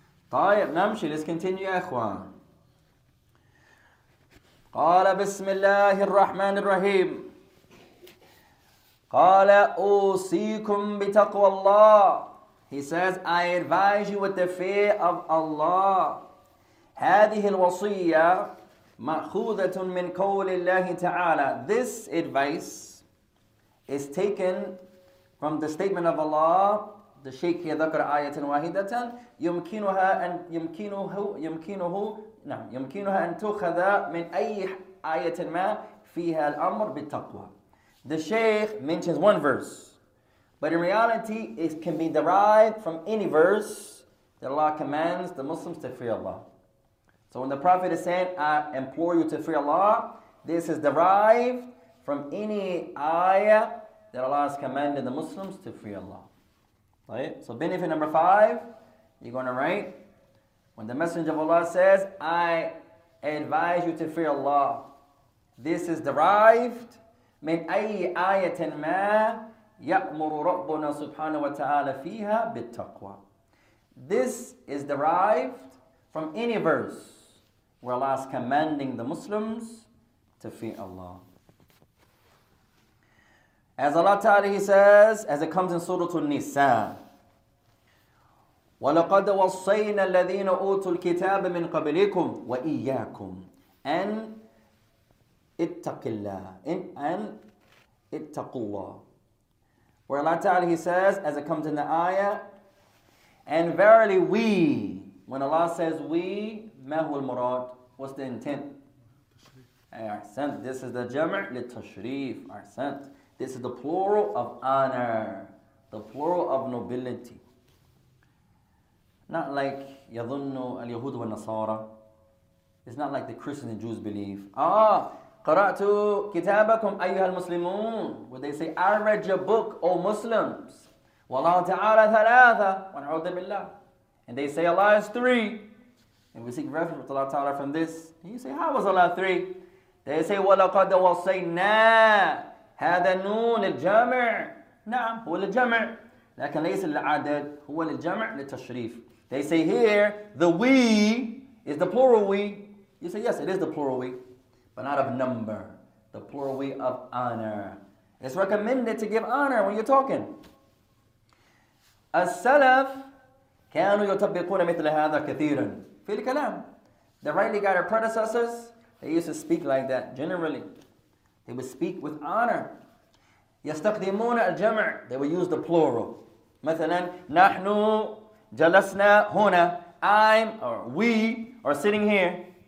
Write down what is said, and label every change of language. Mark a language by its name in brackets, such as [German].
[Arabic] Tayyib, namshi, [English] let's continue, [Arabic] Ikhwan. Qala bismillahir rahmanir rahim. قال أوصيكم بتقوى الله. [English] He says, I advise you with the fear of Allah. [Arabic] هذه الوصية مأخوذة من قول الله تعالى. [English] This advice is taken from the statement of Allah. The Sheikh [Arabic] ذكر آية واحدة يمكنها أن تأخذ من أي آية ما فيها الأمر بالتقوى. [English] The Shaykh mentions one verse, but in reality, it can be derived from any verse that Allah commands the Muslims to fear Allah. So when the Prophet is saying, I implore you to fear Allah, this is derived from any ayah that Allah has commanded the Muslims to fear Allah. Right? So benefit number five, you're going to write, when the Messenger of Allah says, I advise you to fear Allah, this is derived [Arabic] من أي آية ما يأمر ربنا سبحانه وتعالى فيها بالتقوى. [English] This is derived from any verse where Allah is commanding the Muslims to fear Allah. As Allah Ta'ala, He says, as it comes in Surah An-Nisa, [Arabic] وَلَقَدْ وَصَّيْنَا الَّذِينَ أُوتُوا الْكِتَابَ مِنْ قَبْلِكُمْ وَإِيَّاكُمْ أَنْ اتق الله ان اتقوا الله. [English] Where Allah Ta'ala, He says, as it comes in the ayah, and verily we, when Allah says we, [Arabic] ma huwa al-murad, [English] what's the intent? [Arabic] Ahsant, [English] this is the [Arabic] jam' litashrif, ahsant. [English] This is the plural of honor, the plural of nobility. Not like [Arabic] yadhunnu al-yahud wa nasara. [English] It's not like the Christians and Jews believe. [Arabic] قَرَأْتُ كِتَابَكُمْ أَيُّهَا الْمُسْلِمُونَ. [English] Would they say, I read your book, O Muslims. [Arabic] وَاللَّهُ تَعَالَى ثَلَاثَ وَنَعُوذُ بِاللَّهِ. [English] And they say, Allah is three. And we seek refuge with Allah Ta'ala from this. And you say, how was Allah three? They say, [Arabic] وَلَقَدْ وَصَيْنَا هَذَا نُونَ الْجَمْعِ. نعم, هو الْجَمْعِ. لكن ليس العدد, هو الْجَمْعِ لِلتَشْرِيفِ. [English] They say here, the we is the plural we. You say, yes, it is the plural we. But not of number, the plural way of honor. It's recommended to give honor when you're talking. [Arabic] As-salaf كانوا يطبقون مثل هذا كثيراً في الكلام. [English] The rightly guided predecessors, they used to speak like that generally. They would speak with honor. [Arabic] يستخدمون الجمع, [English] they would use the plural. [Arabic] مثلاً نحن جلسنا هنا, [English] I'm or we are sitting here.